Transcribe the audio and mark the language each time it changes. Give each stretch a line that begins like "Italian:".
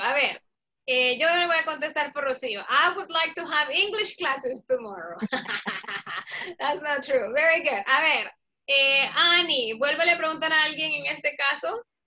Spanish: A ver, yo le voy a contestar por Rocío.
English: I would like to have English classes tomorrow. That's not true. Very good.
Spanish: A ver, Annie, vuélvele a preguntar a alguien en este caso.